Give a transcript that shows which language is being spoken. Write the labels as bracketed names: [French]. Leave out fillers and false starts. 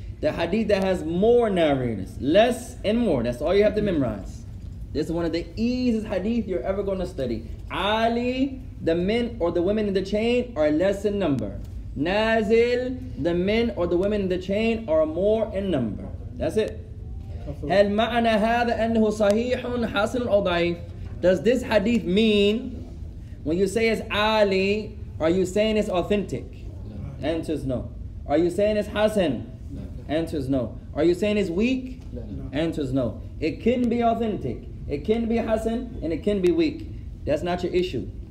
[English] The hadith that has more narrators. Less and more. That's all you have to memorize. This is one of the easiest hadith you're ever going to study. Ali, the men or the women in the chain are less in number. Nazil, the men or the women in the chain are more in number. That's it. [Arabic] هل معنى هذا أنه صحيح حسن أو ضعيف? [English] Does this hadith mean, when you say it's Ali, are you saying it's authentic? No. Answer is no. Are you saying it's Hassan? No. Answer is no. Are you saying it's weak? No. Answer is no. It can be authentic. It can be Hassan and it can be weak. That's not your issue.